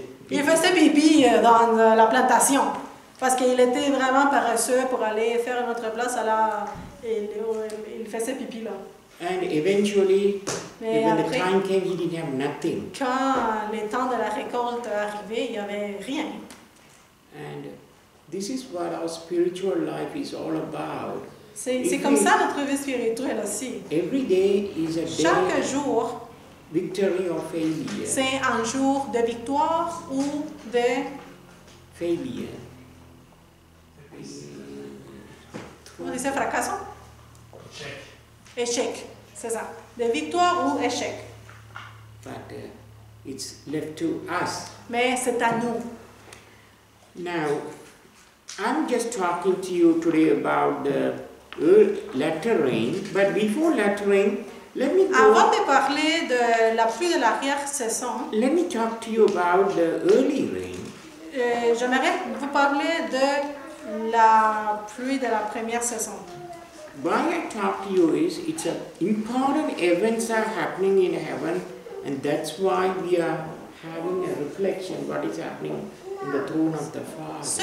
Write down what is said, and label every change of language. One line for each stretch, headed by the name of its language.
French: Il faisait pipi dans la plantation parce qu'il était vraiment paresseux pour aller faire une autre place. Alors il faisait pipi là.
English: And eventually, when the time came, he didn't have nothing.
French: Quand le temps de la récolte arrivait, il n'y avait rien.
English: And this is what our spiritual life is all about.
French: C'est comme ça notre vie spirituelle aussi.
English: Every day is a
French: chaque jour,
English: victory or failure.
French: C'est un jour de victoire ou de
English: failure.
French: On disait fracasso? Échec, c'est ça. De victoire ou échec.
English: But it's left to us.
French: Mais c'est à nous.
English: Now, I'm just talking to you today about the latter rain. But before latter rain, let me go.
French: Avant de parler de la pluie de l'arrière saison.
English: Let me talk to you about the early rain.
French: J'aimerais vous parler de la pluie de la première saison.
English: Why I talk to you is it's an important events are happening in heaven, and that's why we are having a reflection what is happening in the throne of the Father.